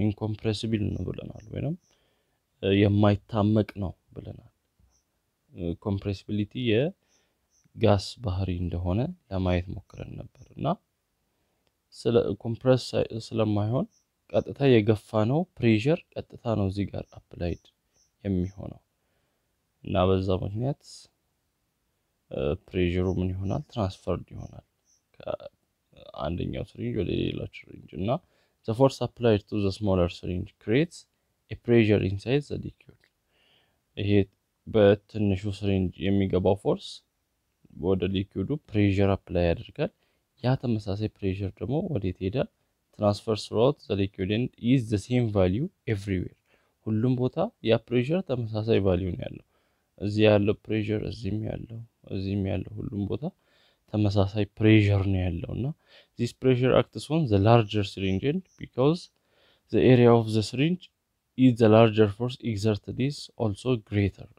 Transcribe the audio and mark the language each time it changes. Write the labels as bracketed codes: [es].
[am] ኢንኮምፕሬሲብል ነው ብለናል፣ ወይም የማይታመቅ ነው ብለናል። ኮምፕሬሲቢሊቲ የጋስ ባህሪ እንደሆነ ለማየት ሞክረን ነበር እና ኮምፕረስ ስለማይሆን ቀጥታ የገፋ ነው፣ ፕሬዥር ቀጥታ ነው እዚህ ጋር አፕላይድ የሚሆነው እና በዛ ምክንያት ፕሬዥሩ ምን ይሆናል? ትራንስፈርድ ይሆናል ከአንደኛው ስሪንጅ ወደ ሌላው ስሪንጅ እና [en] the force applied to the smaller syringe creates a pressure inside the liquid. [am] ይሄ በትንሹ ስሪንጅ የሚገባው ፎርስ ወደ ሊኩዊዱ ፕሬዥር አፕላይ ያደርጋል። ያ ተመሳሳይ ፕሬዥር ደግሞ ወዴት ይሄዳል? [en] ትራንስፈር ስሮት ዘ ሊኩዊድ ኢንድ ኢዝ ዘ ሴም ቫልዩ ኤቭሪዌር። [am] ሁሉም ቦታ ያ ፕሬዥር ተመሳሳይ ቫልዩ ነው ያለው። እዚህ ያለው ፕሬዥር እዚህም ያለው እዚህም ያለው ሁሉም ቦታ ተመሳሳይ ፕሬዥር ነው ያለው እና [en] this pressure acts on the larger syringe because the area of the syringe is the larger force exerted is also greater.